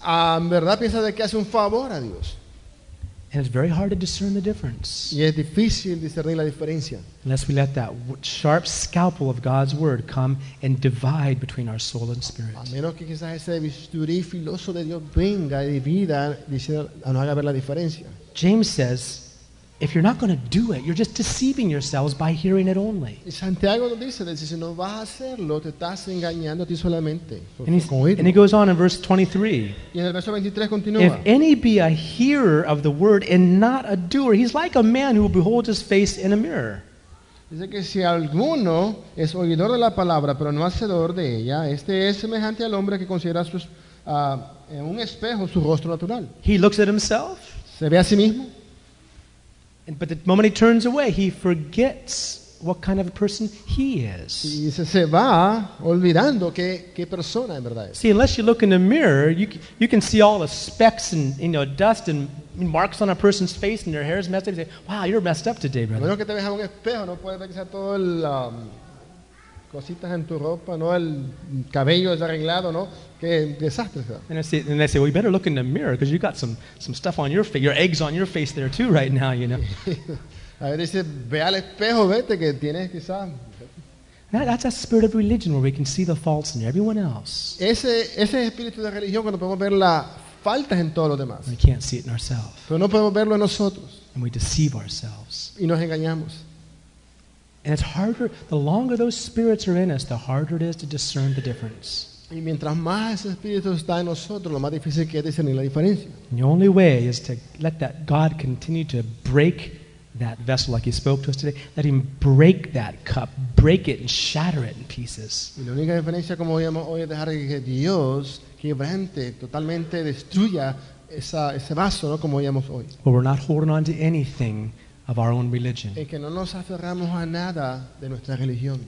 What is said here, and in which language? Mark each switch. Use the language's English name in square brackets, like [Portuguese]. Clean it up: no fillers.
[Spanish] En verdad piensa de que hace un favor a Dios. [English] And it's very hard to discern the difference. [Spanish] Y es difícil discernir la diferencia. [English] Unless we let that sharp scalpel of God's word come and divide between our soul and spirit. [Spanish] A menos que quizás ese bisturí filoso de Dios venga y divida, diciendo, no haga ver la diferencia. [English] James says, if you're not going to do it, you're just deceiving yourselves by hearing it only. [Spanish] Y Santiago lo dice, si no vas a hacerlo, te estás engañando a ti solamente. [English] And he goes on in verse 23. [Spanish] Y en el verso 23 continúa. [English] If any be a hearer of the word and not a doer, he's like a man who beholds his face in a mirror. [Spanish] Dice que si alguno es oidor de la palabra, pero no hacedor de ella, este es semejante al hombre que considera sus, en un espejo su rostro natural. [English] He looks at himself. [Spanish] Se ve a sí mismo. [English] But the moment he turns away, he forgets what kind of a person he is. [Spanish] Y se va olvidando qué persona en verdad es. [English] See, unless you look in the mirror, you can see all the specks and, you know, dust and marks on a person's face and their hair is messed up. You say, wow, you're messed up today, brother. [Spanish] Bueno, que te ves a un espejo, no puedes ver que sea todo el cositas en tu ropa, no el cabello desarreglado, ¿no? Qué desastre. [English] And they say, well, you better look in the mirror because you got some stuff on your face, your eggs on your face there too right now, you know. [Spanish] A ver, dice, ve al espejo, vete, que tienes quizás. [English] That's a spirit of religion where we can see the faults in everyone else. [Spanish] Ese es espíritu de religión cuando podemos ver las faltas en todos los demás. [English] We can't see it in ourselves. [Spanish] Pero no podemos verlo en nosotros. [English] And we deceive ourselves. [Spanish] Y nos engañamos. [English] And it's harder, the longer those spirits are in us, the harder it is to discern the difference. [Spanish] Y mientras más ese espíritu está en nosotros, lo más difícil que es discernir la diferencia. [English] The only way is to let that God continue to break that vessel like he spoke to us today. Let him break that cup, break it and shatter it in pieces. [Spanish] Y la única diferencia, como veíamos hoy, es dejar que Dios quebrante, totalmente destruya ese vaso, ¿no? Como veíamos hoy. [English] But we're not holding on to anything of our own religion. [Spanish] Y que no nos aferramos a nada de nuestra religión.